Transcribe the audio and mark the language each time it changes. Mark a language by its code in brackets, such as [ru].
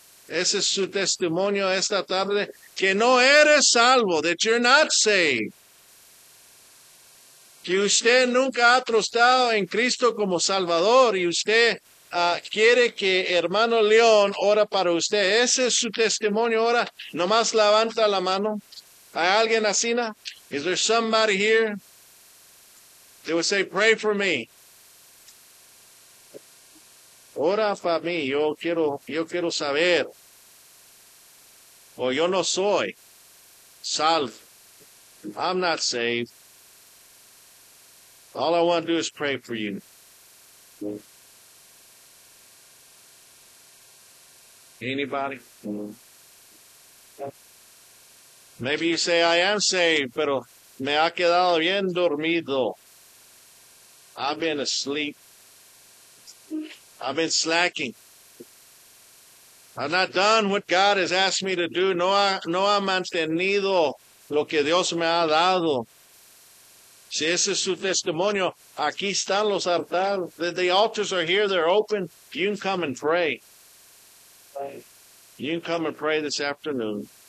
[es] Ese es su testimonio esta tarde. Que no eres salvo. [en] That you're not saved. [es] Que usted nunca ha trostado en Cristo como Salvador y usted quiere que hermano León ora para usted. Ese es su testimonio ahora. Nomás levanta la mano. ¿Hay alguien así? [en] Is there somebody here? They would say, pray for me. [es] Ora para mí, yo quiero saber. O yo no soy salvo. [en] I'm not saved. All I want to do is pray for you. Anybody? Maybe you say, I am saved, [es] pero me ha quedado bien dormido. [en] I've been asleep. I've been slacking. I've not done what God has asked me to do. [es] No ha mantenido lo que Dios me ha dado. Si ese es su testimonio, aquí están los altares. [en] The altars are here. They're open. You can come and pray. You can come and pray this afternoon.